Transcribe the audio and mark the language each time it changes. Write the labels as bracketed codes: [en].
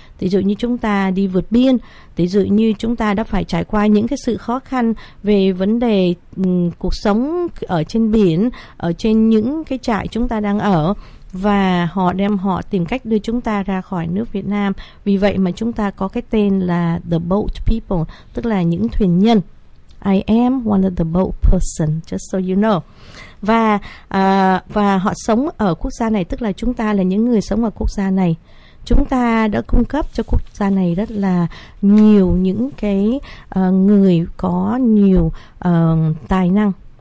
[vi] Ví dụ như chúng ta đi vượt biên, ví dụ như chúng ta đã phải trải qua những cái sự khó khăn về vấn đề cuộc sống ở trên biển, ở trên những cái trại chúng ta đang ở. Và họ tìm cách đưa chúng ta ra khỏi nước Việt Nam. Vì vậy mà chúng ta có cái tên là The Boat People, tức là những thuyền nhân. [en] I am one of the boat person, just so you know. [vi] Và họ sống ở quốc gia này, tức là chúng ta là những người sống ở quốc gia này. Chúng ta đã cung cấp cho quốc gia này rất là nhiều những cái người có nhiều tài năng.